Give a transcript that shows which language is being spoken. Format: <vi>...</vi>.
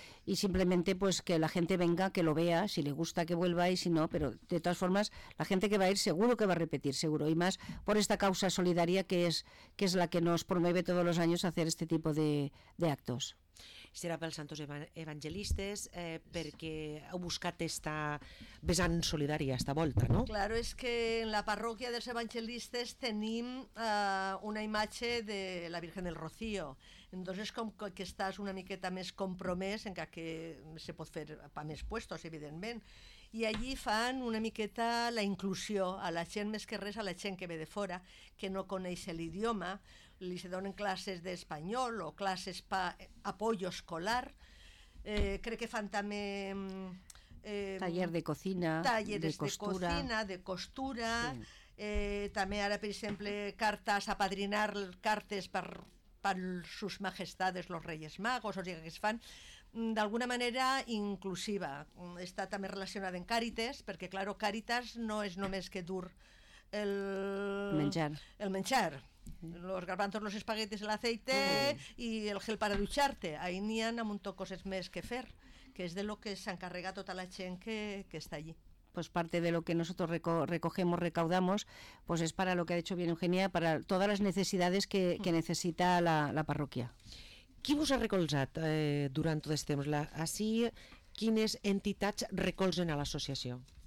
<es>Y simplemente pues que la gente venga, que lo vea, si le gusta que vuelva y si no, pero de todas formas la gente que va a ir seguro que va a repetir, seguro. Y más por esta causa solidaria que es la que nos promueve todos los años hacer este tipo de actos.</es> <ca>Serà pels santos evangelistes perquè heu buscat esta vessant solidària, esta volta, no? Claro, és que en la parròquia dels evangelistes tenim una imatge de la Virgen del Rocío. Entonces, com que estàs una miqueta més compromès, en què se pot fer pa més puestos, evidentment, i allí fan una miqueta la inclusió a la gent més que res, a la gent que ve de fora, que no coneix l'idioma, li se donen classes d'espanyol o classes per apoyo escolar. Crec que fan també...</ca> <es>taller de cocina, talleres de costura. De costura.</es> <ca>Sí. També ara, per exemple, cartes, apadrinar cartes per</ca> <es>sus majestades, los reyes magos,</es> <ca>o sigui que es fan d'alguna manera inclusiva. Està també relacionada amb Càritas, perquè, claro, Càritas no és només que dur el... menjar. El menjar.</ca> <es>Los garbanzos, los espaguetis, el aceite y el gel para ducharte.</es> <ca>Ahí n'hi han un toc coses més que fer, que és de lo que s'encarrega tota la gent que està allí.</ca> <es>Pues parte de lo que nosotros recogemos, recaudamos, pues es para lo que ha dicho bien Eugenia, para todas las necesidades que necesita la parroquia.</es> <ca>Qui vos ha recolzat durant tot este temps? Quines entitats recolzen a l'associació?</ca>